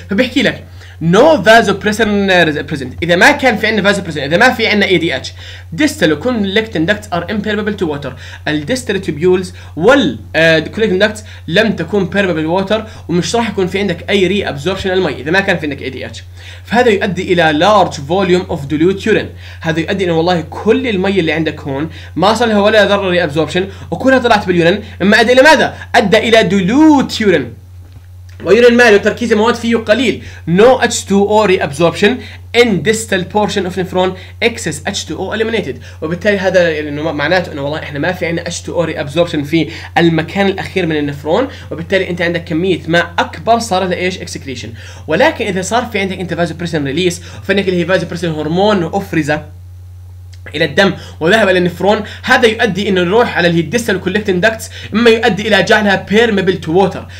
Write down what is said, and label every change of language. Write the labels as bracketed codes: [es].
[ar] فبيحكي لك نو فازو بريزنت، اذا ما كان في عندنا فازو بريزنت، اذا ما في عندنا اي دي اتش، [en] distal وكون لكتين duct are impermeable to water, [ar] الديستال تيبيولز والكولكتين دكت لم تكون بيربل ووتر، ومش راح يكون في عندك اي ري ابزوربشن للمي اذا ما كان في عندك اي دي اتش. فهذا يؤدي الى [en] large volume of dilute urine, [ar] هذا يؤدي انه والله كل المي اللي عندك هون ما صار لها ولا ذره ري ابزوربشن وكلها طلعت باليورين. اما ادى الى ماذا؟ ادى الى دولوت يورين، ويورين مالي وتركيز المواد فيه قليل. [en] No H2O reabsorption in distal portion of nephron, excess H2O eliminated. [ar] وبالتالي هذا يعني معناته انه والله احنا ما في عندنا H2O reabsorption في المكان الاخير من النفرون، وبالتالي انت عندك كمية ماء اكبر صارت لايش؟ excretion. ولكن اذا صار في عندك انت vasopressin release، فانك اللي هي vasopressin هرمون افرز الى الدم وذهب الى النفرون، هذا يؤدي انه يروح على اللي هي الديستال كولكتين داكتس، اما يؤدي الى جعلها بيرميبل تو ووتر.